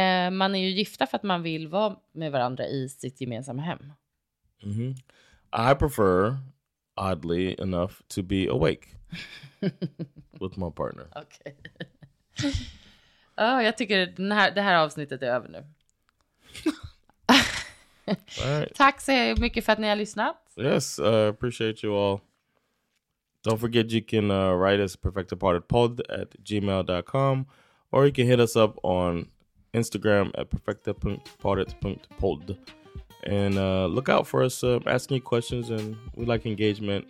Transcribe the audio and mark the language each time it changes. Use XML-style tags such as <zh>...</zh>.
<sv>Man är ju gifta för att man vill vara med varandra i sitt gemensamma hem.</sv> <en>Mm-hmm. I prefer... oddly enough, to be awake with my partner. Okay.</en> <sv>Oh, jag tycker det här avsnittet är över nu.</sv> <en>Right.</en> <sv>Tack så mycket för att ni har lyssnat.</sv> <en>Yes, I appreciate you all. Don't forget you can write us perfectapartedpod@gmail.com or you can hit us up on Instagram @perfectapartedpod And look out for us asking questions, and we like engagement.</en>